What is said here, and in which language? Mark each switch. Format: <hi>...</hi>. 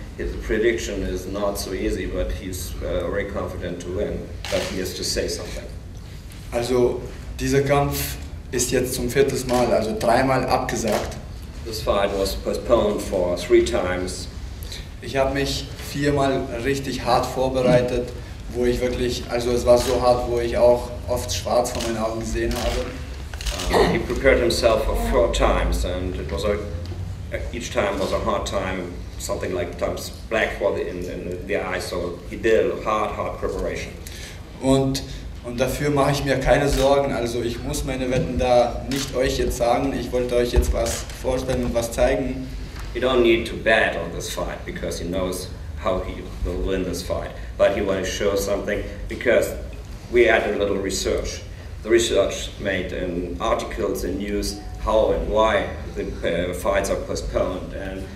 <en>His prediction is not so easy, but he's very confident to win. But he has to say something.</en> <de>Also, dieser Kampf ist jetzt zum viertes Mal, also dreimal abgesagt.</de> <en>This fight was postponed for three times.</en> <de>Ich habe mich viermal richtig hart vorbereitet, wo ich wirklich, also es war so hart, wo ich auch oft schwarz vor meinen Augen gesehen habe.</de> <en>He prepared himself for four times, and it was each time was a hard time. Something like times black for the in the eye, so he did a hard preparation.</en> <de>Und dafür mache ich mir keine Sorgen. Also ich muss meine Wetten da nicht euch jetzt sagen. Ich wollte euch jetzt was vorstellen und was zeigen.</de> <en>You don't need to bet on this fight because he knows how he will win this fight. But he wants to show something because we had a little research. The research made in articles and news how and why the fights are postponed and.</en>